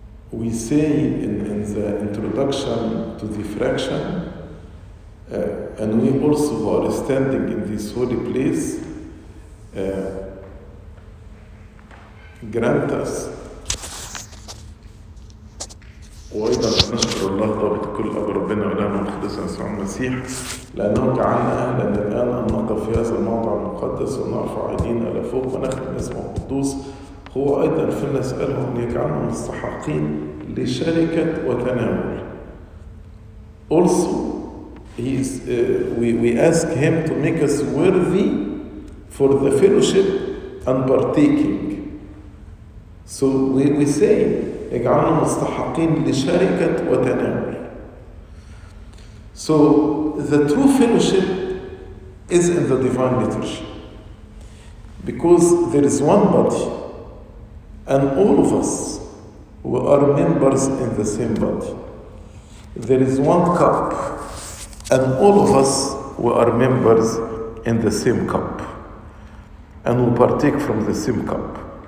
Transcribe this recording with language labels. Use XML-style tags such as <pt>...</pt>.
<en>We say in the introduction to the fraction, and we also are standing in this holy place, grant us</en> <ar>وأيضا نشكر الله ضابط كل أجر ربنا وإلهنا المخلص يسوع المسيح لأنه جعلنا أهلا الآن أن نقف في هذا الموضع المقدس ونرفع أيدينا إلى فوق ونخدم اسمه القدوس. هو أيضا فينا نسأله أن يجعلنا مستحقين لشركة وتناول.</ar> <en>Also, we ask him to make us worthy for the fellowship and partaking. So we say,</en> <ar>اجعلنا مستحقين لشركة وتناول.</ar> <en>So the true fellowship is in the divine liturgy, because there is one body, and all of us, we are members in the same body. There is one cup, and all of us, we are members in the same cup, and we partake from the same cup.</en>